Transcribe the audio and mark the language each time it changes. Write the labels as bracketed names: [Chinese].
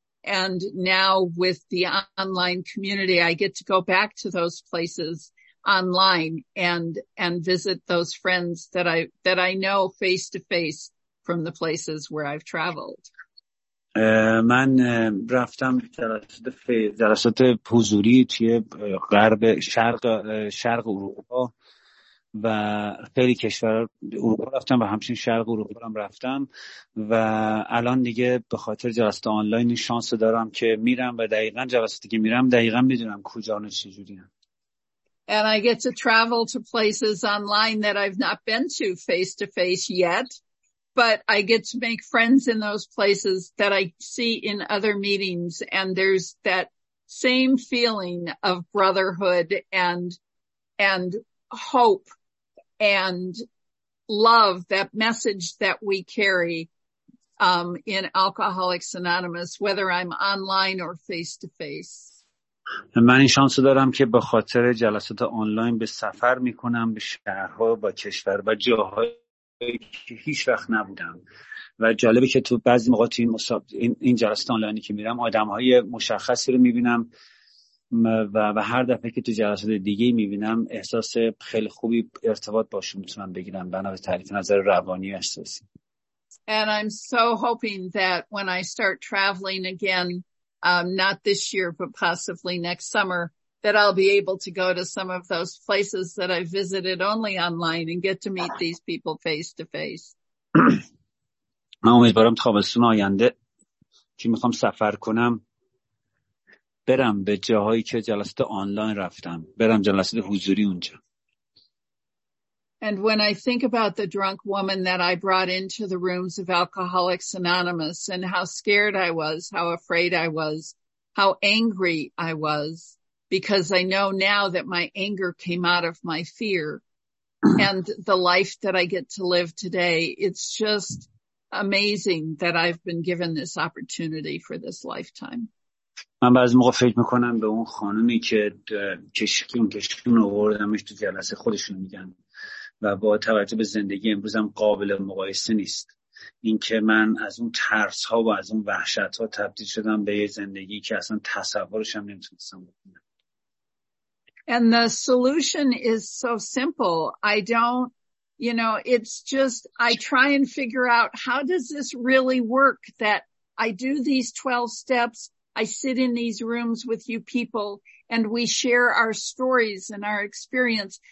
[English] And now with the online community, I get to go back to those places online and visit those friends that I know face to face from the places where I've traveled. [Persian] من رفتم جلسات حضوری توی غرب شرق اروپا و خیلی کشور اروپا رفتم و همچنین شرق اروپا هم رفتم و الان دیگه به خاطر جلسات آنلاین شانس دارم که میرم و دقیقا جلساتی که میرم دقیقا میدونم کجا و چجوری هم. [English] And I get to travel to places online that I've not been to face to face yet. But I get to make friends in those places that I see in other meetings. And there's that same feeling of brotherhood and hope and love, that message that we carry in Alcoholics Anonymous, whether I'm online or face to face. [Persian] من این شانس دارم که به خاطر جلسات آنلاین به سفر میکنم به شهرها و کشور و جاهای که هیچ وقت نبودم و جالبه که تو بعضی موقع تو این جلسات آنلاینی که میرم آدمهای مشخصی رو میبینم و هر دفعه که تو جلسات دیگه میبینم احساس خیلی خوبی ارتباط باشون میتونم بگیرم بنابرای تعریف نظر روانی احساسی. [English] And I'm so hoping that when I start traveling again, not this year but possibly next summer, that I'll be able to go to some of those places that I visited only online and get to meet these people face to face. [Persian] من امیدوارم تابستون آینده که میخوام سفر کنم برم به جاهایی که جلسات آنلاین رفتم، برم جلسات حضوری اونجا. [English] And when I think about the drunk woman that I brought into the rooms of Alcoholics Anonymous and how scared I was, how afraid I was, how angry I was, because I know now that my anger came out of my fear, and the life that I get to live today, it's just amazing that I've been given this opportunity for this lifetime. [Persian] من بعضی موقع فکر میکنم به اون خانمی که کشکیون آوردمش تو جلسه، خودشون میگن و با توجه به زندگی امروزم قابل مقایسه نیست. این که من از اون ترس ها و از اون وحشت ها تبدیل شدم به یه زندگی که اصلا تصورش هم نمیتونستم بکنم. [English] And the solution is so simple. I don't, you know, it's just I try and figure out how does this really work that I do these 12 steps, I sit in these rooms with you people and we share our stories and our experience.